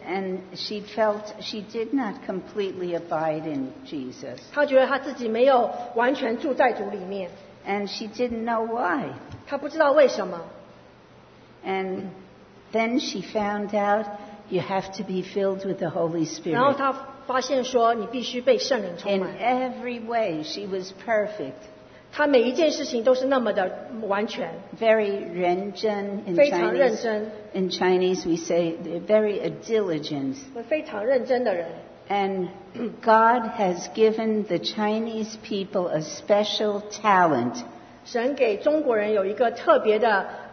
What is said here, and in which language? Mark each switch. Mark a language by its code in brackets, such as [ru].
[en] And she felt she did not completely abide in Jesus. [zh] 她觉得她自己没有完全住在主里面 [en] And she didn't know why. [zh] 她不知道为什么 [en] And then she found out you have to be filled with the Holy Spirit. [zh] 然后她发现说你必须被圣灵充满 [en] In every way, she was perfect. [zh] 他每一件事情都是那么的完全 [en] very [zh] 认真非常认真 [en] in Chinese we say very diligent [zh] 非常认真的人 [en] and God has given the Chinese people a special talent [zh] 神给中国人有一个特别的